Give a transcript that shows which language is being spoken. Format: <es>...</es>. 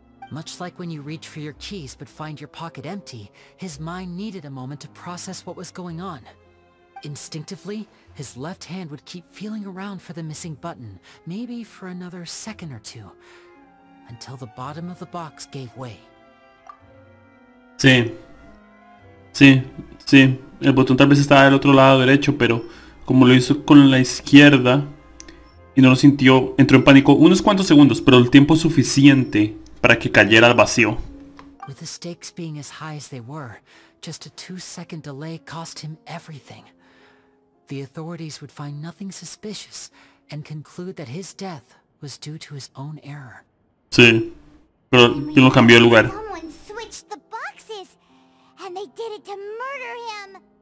<en>Much like when you reach for your keys but find your pocket empty, his mind needed a moment to process what was going on. Instinctively, his left hand would keep feeling around for the missing button, maybe for another second or two, until the bottom of the box gave way.</en> <es>Sí. Sí, sí. El botón tal vez estaba del otro lado derecho, pero como lo hizo con la izquierda y no lo sintió, entró en pánico unos cuantos segundos, pero el tiempo suficiente para que cayera al vacío.</es> <en>With the stakes being as high as they were, just a 2-second delay cost him everything. The authorities would find nothing suspicious and conclude that his death was due to his own error.</en> <es>Sí, pero yo no cambié de lugar.</es> <en>Someone switched the boxes, and they did it to murder him.</en>